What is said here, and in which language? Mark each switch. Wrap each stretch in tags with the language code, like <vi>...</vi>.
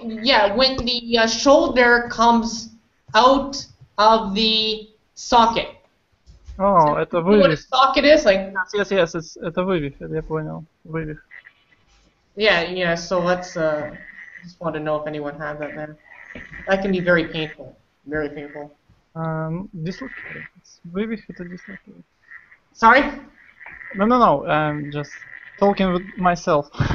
<en>Yeah, when the shoulder comes out of the socket. Oh, so</en> <ru>это вывих.</ru> <en>You know what a socket is? Like, yes,</en> <ru>это вывих, я понял, вывих.</ru> <en>Yeah, so let's, just want to know if anyone had that then. That can be very painful, very painful. Dislocated,</en> <ru>вывих, это</ru> <en>dislocated. Sorry? No, I'm just talking with myself.</en>